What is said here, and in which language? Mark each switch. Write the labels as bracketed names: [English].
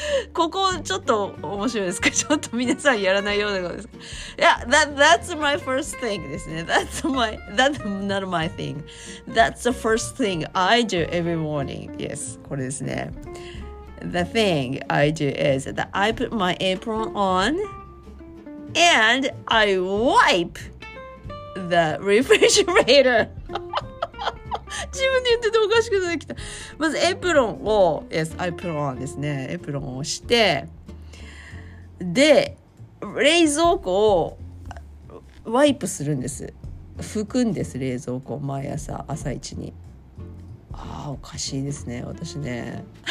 [Japanese] ここちょっと面白いですか、ちょっと皆さんやらないようなことですか。 [English] Yeah, that's my first thing [Japanese] ですね。 [English] That's not my thing. That's the first thing I do every morning. [Japanese] Yes, これですね。 [English] The thing I do is that I put my apron on and I wipe the refrigerator。 [Japanese] 自分で言ってておかしくなってきた。まずエプロンを、 [English] Yes, I put on [Japanese] ですね。エプロンをして、で、冷蔵庫をワイプするんです。拭くんです、冷蔵庫を毎朝、朝一に。ああ、おかしいですね、私ね。